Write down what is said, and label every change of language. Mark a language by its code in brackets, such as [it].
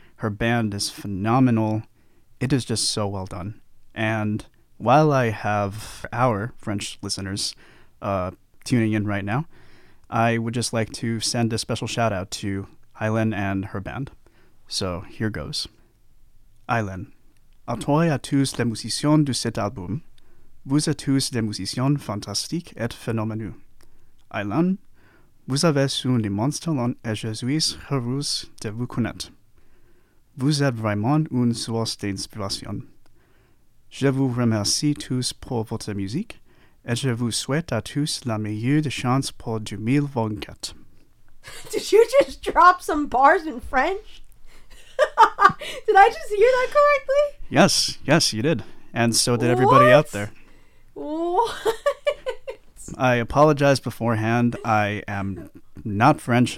[en] Her band is phenomenal. It is just so well done. And while I have our French listeners tuning in right now, I would just like to send a special shout out to Aylen and her band. So here goes. [fr] Aylen, à toi et à tous les musiciens de cet album. Vous êtes tous des musiciens fantastiques et phénoménaux. Aylen, vous avez un immense talent et je suis heureux de vous connaître. Vous êtes vraiment une source d'inspiration. Je vous remercie tous pour votre musique et je vous souhaite à tous la meilleure de chance pour 2024. [en] Did you just drop some bars in French? Did I just hear that correctly? Yes, yes, you did. And so did everybody out there. What? I apologize beforehand. I am not French.